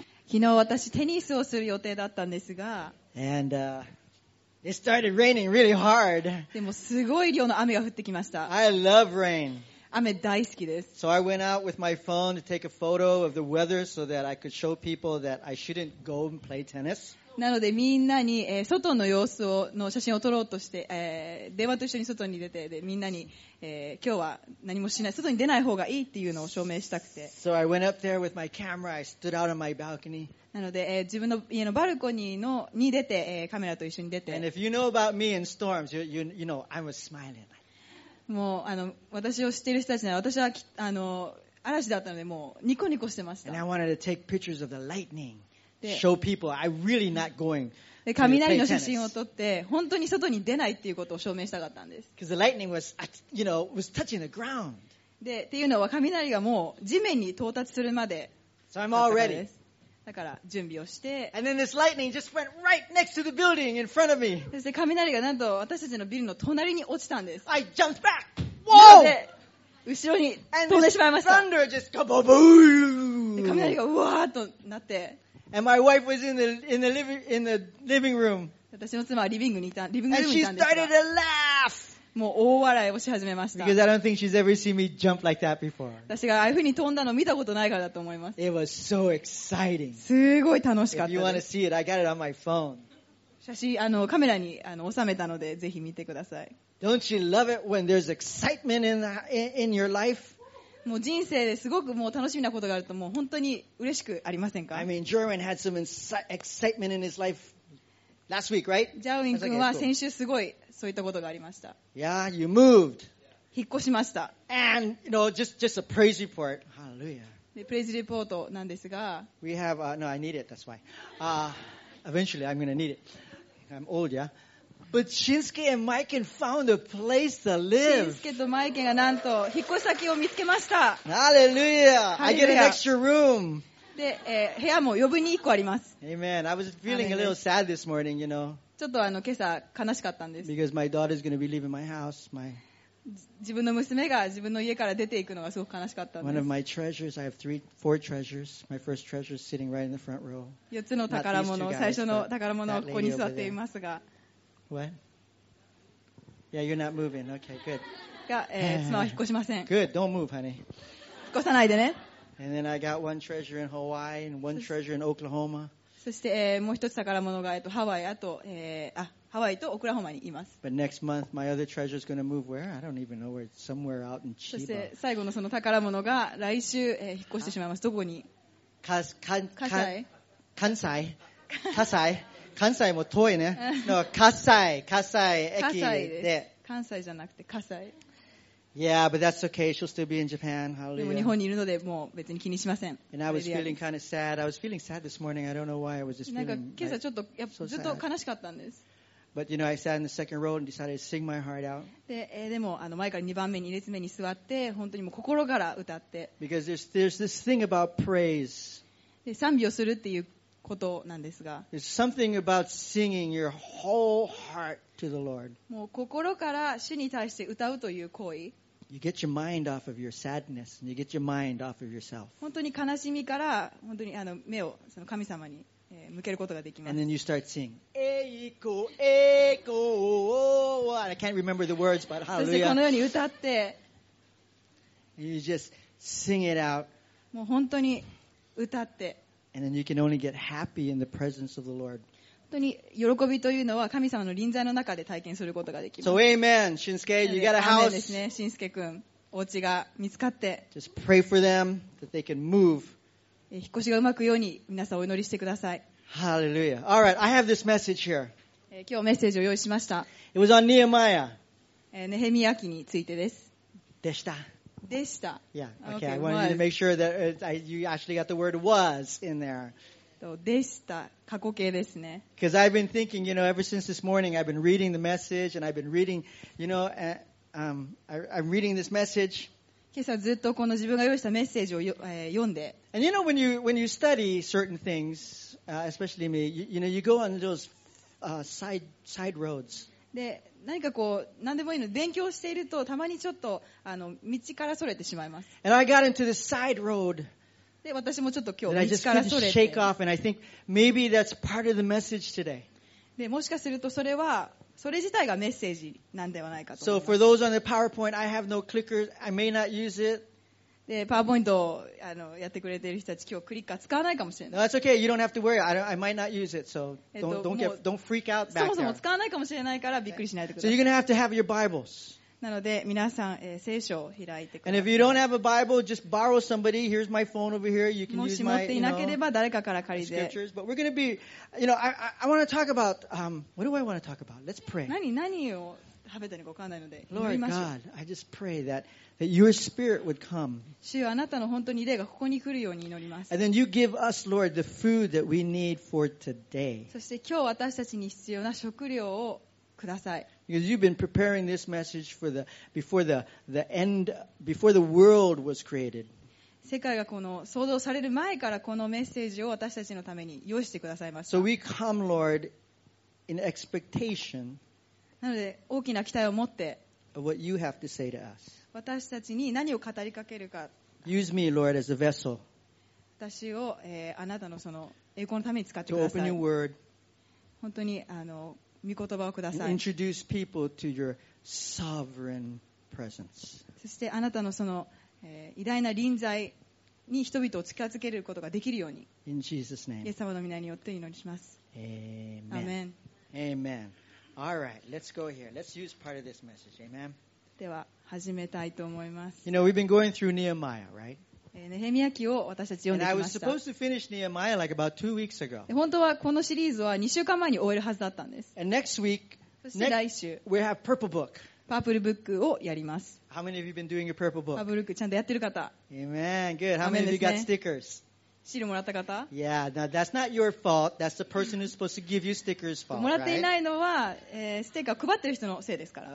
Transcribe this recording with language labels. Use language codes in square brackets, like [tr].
[ja] 昨日私テニスをする予定だったんですが。 [en] And, it started raining really hard. [ja] でもすごい量の雨が降ってきました。 [en] I love rain. [ja] 雨大好きです。 [en] So I went out with my phone to take a photo of the weather so that I could show people that I shouldn't go and play tennis. [ja] なのでみんなに外の様子をの写真を撮ろうとして電話と一緒に外に出てでみんなに今日は何もしない外に出ない方がいいっていうのを証明したくて。 [en] So I went up there with my camera. I stood out on my balcony. [ja] なので自分の家のバルコニーのに出てカメラと一緒に出て。 [en] And if you know about me in storms, you know I was smiling. [ja] もう私を知っている人たちなら私は嵐だったのでもうニコニコしてました。 [en] And I wanted to take pictures of the lightning. Show people I'm really not going. [ja] で、雷の写真を撮って本当に外に出ないっていうことを証明したかったんです。 [en] Because the lightning was, you know, was touching the ground. [ja] で、っていうのは雷がもう地面に到達するまで。 [en] So I'm all ready. [ja] だから準備をして。 [en] And then this lightning just went right next to the building in front of me. [ja] そして雷がなんと私たちのビルの隣に落ちたんです。 [en] I jumped back. Whoa! [ja] で、後ろに飛んでしまいました。 [en] And the thunder just come boom. [ja] 雷がうわーっとなって。 [en] And my wife was in the living room. [ja] 私の妻はリビングにいた、リビングルームにいたんですが。 [en] And she started to laugh. [ja] もう大笑いをし始めました。 [en] Because I don't think she's ever seen me jump like that before. [ja] 私がああいう風に飛んだの見たことないからだと思います。 [en] It was so exciting. [ja] すごい楽しかった。 [en] If you want to see it, I got it on my phone. [ja] 写真カメラに収めたのでぜひ見てください。 [en] Don't you love it when there's excitement in your life? [ja] もう人生ですごくもう楽しみなことがあるともう本当に嬉しくありませんか? [en] I mean, Jerwin had some excitement in his life last week, right? [ja] ジャーウィン君は先週すごいそういったことがありました。 [en] Yeah, you moved. [ja] 引っ越しました。 [en] And, you know, just a praise report. Hallelujah. [ja] で、プレイズレポートなんですが。 [en] We have, no, I need it, that's why. Eventually I'm going to need it. I'm old, yeah? But Shinsuke and Maiken found a place to live. [ja] Shinsuke and Maiken がなんと引っ越し先を見つけました。 [en] Hallelujah! I get an extra room. [ja] で、部屋も余分に1個あります。 [en] Amen. I was feeling a little sad this morning, you know. [ja] ちょっと今朝悲しかったんです。 [en] Because my daughter's going to be leaving my house. [ja] 自分の娘が自分の家から出ていくのがすごく悲しかったんです。 [en] One of my treasures. I have three, four treasures. My first treasure is sitting right in the front row. [ja] 4つの宝物、最初の宝物はここに座っていますが。 [en] What? Yeah, you're not moving. Okay, good. [ja] が、妻は引っ越しません。 [en] Good. Don't move, honey. [ja] 引っ越さないでね。 [en] And then I got one treasure in Hawaii and one treasure in Oklahoma. [ja] そして、もう一つ宝物がハワイあと、ハワイとオクラホマにいます。 [en] But next month, my other treasure is going to move where? I don't even know where. Somewhere out in Chiba. [ja] そして最後のその宝物が来週、引っ越してしまいます。どこに？関西。関西も遠いね。関西駅で。関西じゃなくて関西。 [en] Yeah, but that's okay. She'll still be in Japan. Hallelujah. [ja] でも日本にいるのでもう別に気にしません。 [en] And I was feeling kind of sad. I was feeling sad this morning. I don't know why I was just feeling. [ja] なんか今朝ちょっとやっぱずっと悲しかったんです。 [en] But you know, I sat in the second row and decided to sing my heart out. [ja] でも前から2番目に2列目に座って本当にもう心から歌って。 [en] Because there's this thing about praise. [ja] で賛美をするっていう。ことなんですが、 [en] There's something about singing your whole heart to the Lord. [ja] もう心から主に対して歌うという行為。 [en] You get your mind off of your sadness and you get your mind off of yourself. [ja] 本当に悲しみから本当に目をその神様に向けることができます。 [en] And then you start singing. Echo, echo. I can't remember the words, but hallelujah. [ja] そしてこのように歌って、 [en] You just sing it out. [ja] もう本当に歌って。 [en] And then you can only get happy in the presence of the Lord. [ja] 本当に喜びというのは神様の臨在の中で体験することができます。 [en] So amen, Shinsuke, you got a house. [ja] ですね、新助くん、お家が見つかって。 [en] Just pray for them that they can move. [ja] 引っ越しがうまくように皆さんお祈りしてください。 [en] Hallelujah. All right, I have this message here. [ja] 今日メッセージを用意しました。 [en] It was on Nehemiah. [ja] ネヘミヤ記についてです。でした。でした。 [en] Yeah. Okay. I wanted you to make sure that you actually got the word was in there. [ja] でした。過去形ですね。 [en] Because I've been thinking, you know, ever since this morning, I've been reading the message and I've been reading, you know, I'm reading this message. [ja] 今朝ずっとこの自分が用意したメッセージを読んで。 [en] And you know, when you study certain things, especially me, you know, you go on those side roads. [ja] で何かこう何でもいいので勉強しているとたまにちょっと道からそれてしまいます。 [en] And I got into this side road. [ja] で、私もちょっと今日道からそれて。 [en] I just couldn't shake off, and I think maybe that's part of the message today. [ja] で、もしかするとそれは、それ自体がメッセージなんではないかと思います。 [en] So for those on the PowerPoint, I have no clicker. I may not use it. [ja] で、PowerPoint をやってくれている人たち、今日クリッカー使わないかもしれない。 [en] That's okay. You don't have to worry. I might not use it. So don't freak out back there. [ja] そもそも使わないかもしれないからびっくりしないでください。 [en] So you're going to have your Bibles. [ja] なので皆さん、聖書を開いてください。 [en] And if you don't have a Bible, just borrow somebody. Here's my phone over here. You can use my, [ja] もし持っていなければ誰かから借りて。 [en] Scriptures, but we're going to be, you know, I want to talk about, what do I want to talk about? Let's pray. [ja] 何を食べてるのか分からないので祈りましょう。 [en] Lord God, I just pray that your spirit would come. [ja] 主よ、あなたの本当に霊がここに来るように祈ります。 [en] And then you give us, Lord, the food that we need for today. [ja] そして今日私たちに必要な食料をください。 [en] Because you've been preparing this message for the, before the end, before the world was created. [ja] 世界がこの創造される前からこのメッセージを私たちのために用意してくださいました。 [en] So we come, Lord, in expectation. [ja] なので大きな期待を持って。 [en] Of what you have to say to us. [ja] 私たちに何を語りかけるか。 [en] Use me, Lord, as a vessel. [ja] 私を、あなたのその栄光のために使ってください。 [en] To open your word. [ja] 本当に御言葉をください。 [en] Introduce people to your sovereign presence. [ja] そしてあなたのその、偉大な臨在に人々を近づけることができるように。 [en] In Jesus' name. [ja] イエス様の御名によって祈りします。 [en] Amen. Amen. Amen. All right, let's go here. Let's use part of this message. Amen. [ja] では始めたいと思います。 [en] You know, we've been going through Nehemiah, right? [ja] ネヘミヤ記を私たち読んできました。 [en] And I was supposed to finish Nehemiah like about two weeks ago. [ja] 本当はこのシリーズは2週間前に終えるはずだったんです。 [en] And next week, [ja] そして来週、 [en] we have purple book. [ja] パープルブックをやります。 [en] How many of you been doing your purple book? [ja] パープルブックちゃんとやってる方。 [en] Amen. Good. How many of you got stickers? [ja] シールもらった方。 [en] Yeah. Now that's not your fault. That's the person who's supposed to give you stickers fault. [ja] もらっていないのは、ステッカー配ってる人のせいですから。